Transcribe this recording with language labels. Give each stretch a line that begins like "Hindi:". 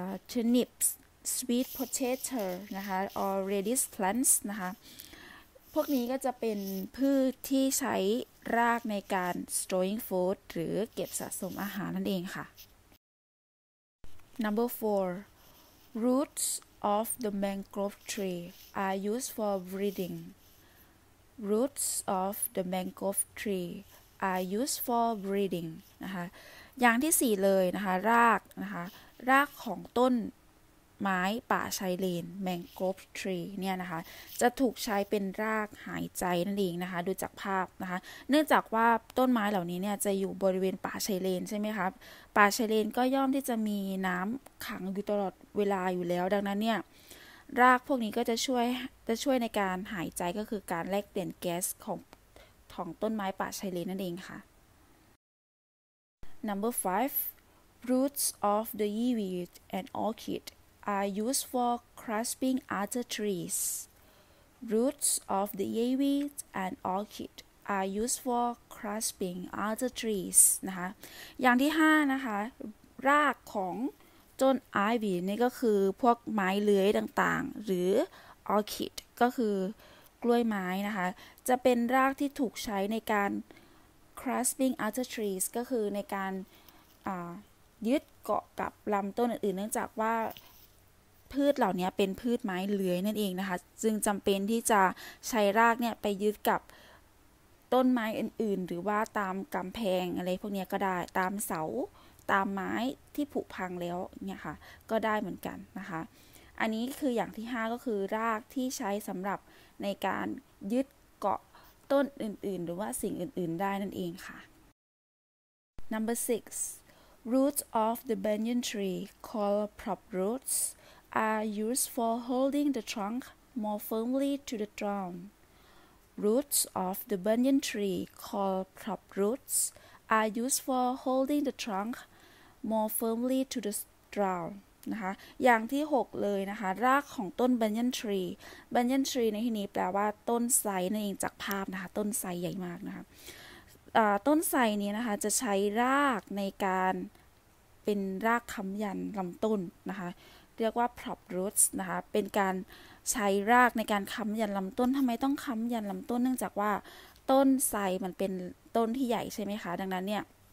English: turnips sweet potato
Thai: นะคะ
English: or radish plants
Thai: นะคะพวกนี้ก็จะเป็นพืชที่ใช้รากในการ
English: storing food
Thai: หรือเก็บสะสมอาหารนั่นเองค่ะ
English: Number 4Roots of the mangrove tree are used for breeding. Roots of the mangrove tree are used for breeding.
Thai: นะคะอย่างที่สี่เลยนะคะรากนะคะรากของต้นไม้ป่าชายเลน mangrove tree เนี่ยนะคะจะถูกใช้เป็นรากหายใจนั่นเองนะคะดูจากภาพนะคะเนื่องจากว่าต้นไม้เหล่านี้เนี่ยจะอยู่บริเวณป่าชายเลนใช่ไหมครับป่าชายเลนก็ย่อมที่จะมีน้ำขังอยู่ตลอดเวลาอยู่แล้วดังนั้นเนี่ย รากพวกนี้ก็จะช่วยในการหายใจก็คือการแลกเปลี่ยนแก๊สของต้นไม้ป่าชายเลนนั่นเองค่ะ
English: Number 5 Roots of the yeweed and orchidare used for clasping other trees. Roots of the yeweed and orchid are used for clasping other trees.
Thai: นะคะอย่างที่ห้านะคะรากของต้นไอวี่นี่ก็คือพวกไม้เลื้อยต่างๆหรือ orchid ก็คือกล้วยไม้นะคะจะเป็นรากที่ถูกใช้ในการ
English: clasping other trees
Thai: ก็คือในการ ยึดเกาะกับลำต้นอื่นๆเนื่องจากว่าพืชเหล่านี้เป็นพืชไม้เลื้อยนั่นเองนะคะจึงจำเป็นที่จะใช้รากเนี่ยไปยึดกับ ต้นไม้อื่นๆหรือว่าตามกำแพงอะไรพวกนี้ก็ได้ตามเสาตามไม้ที่ผุพังแล้วเนี่ยค่ะก็ได้เหมือนกันนะคะอันนี้คืออย่างที่5ก็คือรากที่ใช้สำหรับในการยึดเกาะต้นอื่นๆหรือว่าสิ่งอื่นๆได้นั่นเองค่ะ
English: Number 6 Roots of the banyan tree called prop rootsare used for holding the trunk more firmly to the ground. Roots of the banyan tree called prop roots are used for holding the trunk more firmly to the ground.
Thai: นะคะอย่างที่6เลยนะคะรากของต้น banyan tree banyan tree ในที่นี้แปลว่าต้นไทรนั่นเองจากภาพนะคะต้นไทรใหญ่มากนะคะต้นไทรนี้นะคะจะใช้รากในการเป็นรากค้ำยันลำต้นนะคะเรียกว่า prop roots นะคะเป็นการใช้รากในการค้ำยันลำต้นทำไมต้องค้ำยันลำต้นเนื่องจากว่าต้นไทรมันเป็นต้นที่ใหญ่ใช่ไหมคะดังนั้นเนี่ย